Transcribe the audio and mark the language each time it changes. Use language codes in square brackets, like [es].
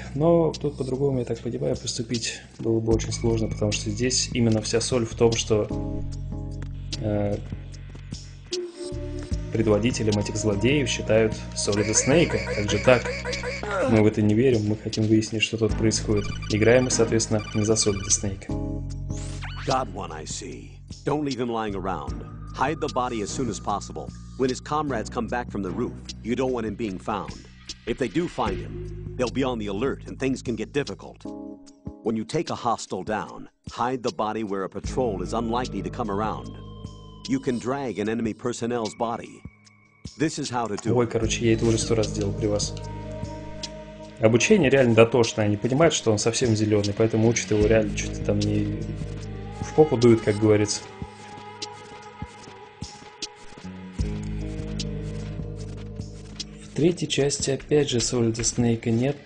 [ru] Но тут по-другому, я так понимаю, поступить было бы очень сложно, потому что здесь именно вся соль в том, что... предводителем этих злодеев считают Солида Снейка. Как же так? Мы в это не верим, мы хотим выяснить, что тут происходит. Играем мы, соответственно, не за Солида Снейка. [en] Got one, I see. Don't leave him lying around. Hide the body as soon as possible. When his comrades come back from the roof, you don't want him being found. If they do find him, they'll be on the alert and things can get difficult. When you take a hostile down, hide the body where a patrol is unlikely to come around. You can drag an enemy personnel's body. This is how to do it. [ru] Ой, короче, я это уже 100 раз делал при вас. Обучение реально дотошное. Они понимают, что он совсем зеленый, поэтому учат его реально что-то там не... В попу дует, как говорится. В третьей части опять же Solid Snake нет.